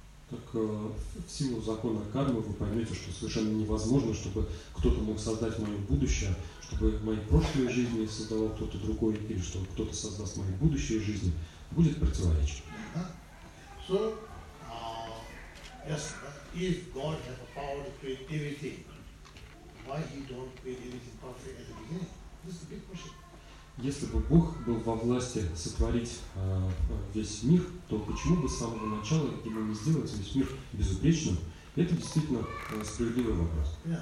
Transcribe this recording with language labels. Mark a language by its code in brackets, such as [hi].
[ru] Так в силу закона кармы вы поймете, что совершенно невозможно, чтобы кто-то мог создать мое будущее, чтобы мои прошлые жизни создавал кто-то другой, или чтобы кто-то создаст мои будущие жизни, будет противоречие. [en] So, yes, if God has the power to create everything, why he don't create everything perfect at the beginning? This is a big question. [ru] Если бы Бог был во власти сотворить весь мир, то почему бы с самого начала ему не сделать весь мир безупречным? Это действительно справедливый вопрос.